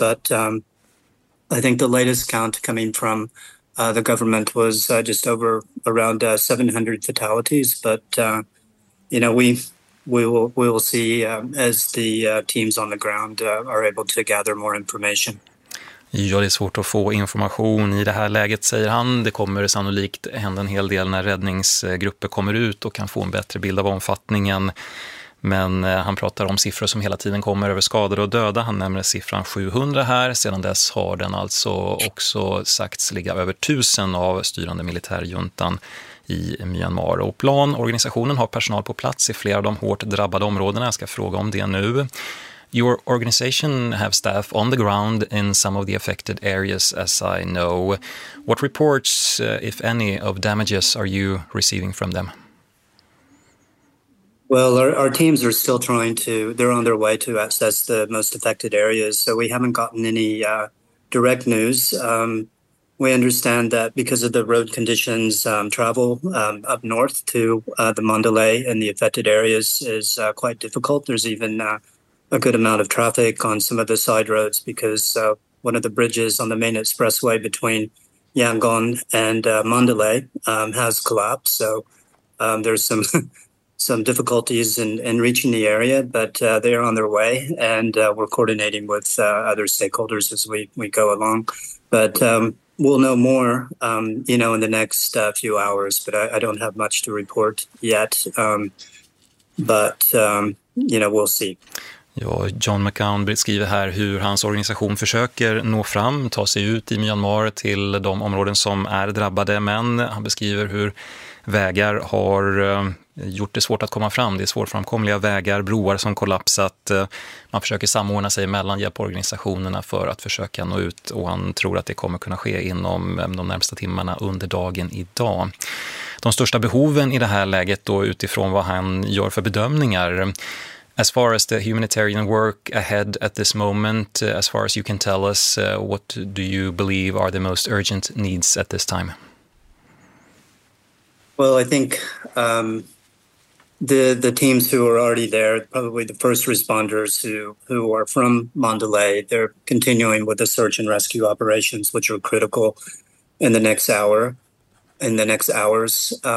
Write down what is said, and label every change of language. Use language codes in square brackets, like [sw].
[en] But I think the latest count coming from the government was just over around 700 fatalities. But, we will see as the teams on the ground are able to gather more information. [sv] Ja, det är svårt att få information i det här läget, säger han. Det kommer sannolikt hända en hel del när räddningsgrupper kommer ut och kan få en bättre bild av omfattningen. Men han pratar om siffror som hela tiden kommer över skadade och döda. Han nämner siffran 700 här. Sedan dess har den alltså också sagts ligga över 1,000 av styrande militärjuntan i Myanmar. Och Plan, organisationen har personal på plats i flera av de hårt drabbade områdena. Jag ska fråga om det nu. [en] Your organization have staff on the ground in some of the affected areas, as I know. What reports, if any, of damages are you receiving from them? Well, our teams are still they're on their way to access the most affected areas, so we haven't gotten any direct news. We understand that because of the road conditions, travel up north to the Mandalay and the affected areas is quite difficult. There's even a good amount of traffic on some of the side roads because one of the bridges on the main expressway between Yangon and Mandalay has collapsed. So there's some difficulties in reaching the area, but they are on their way, and we're coordinating with other stakeholders as we go along. But we'll know more, in the next few hours, but I don't have much to report yet. We'll see. [sv] Ja, John McGown beskriver här hur hans organisation försöker nå fram, ta sig ut i Myanmar till de områden som är drabbade. Men han beskriver hur vägar har gjort det svårt att komma fram. Det är svårframkomliga vägar, broar som kollapsat. Man försöker samordna sig mellan hjälporganisationerna för att försöka nå ut. Och han tror att det kommer kunna ske inom de närmsta timmarna under dagen idag. De största behoven i det här läget då, utifrån vad han gör för bedömningar. [en] As far as the humanitarian work ahead at this moment, as far as you can tell us, what do you believe are the most urgent needs at this time? Well, I think the teams who are already there, probably the first responders who are from Mandalay, they're continuing with the search and rescue operations, which are critical in the next hours.